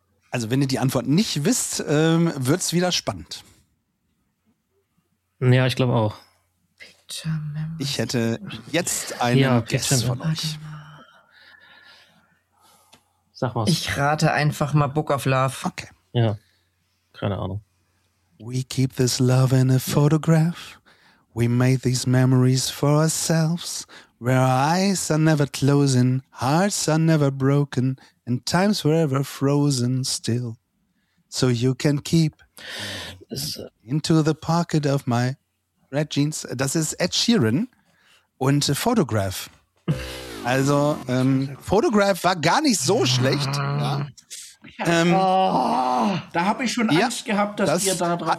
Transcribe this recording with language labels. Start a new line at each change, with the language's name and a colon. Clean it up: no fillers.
German: Also wenn ihr die Antwort nicht wisst, wird es wieder spannend. Ja, ich glaube auch. Ich hätte jetzt einen Guess von euch. Sag was. Ich rate einfach mal Book of Love. Okay. Ja. Keine Ahnung.
English: We keep this love in a photograph. We made these memories for ourselves. Where our eyes are never closing, hearts are never broken, and times forever frozen still. So you can keep into the pocket of my red jeans.
German: Das ist Ed Sheeran und Photograph. Also, Photograph war gar nicht so schlecht. Da habe ich schon Angst gehabt, dass das, ihr da drauf...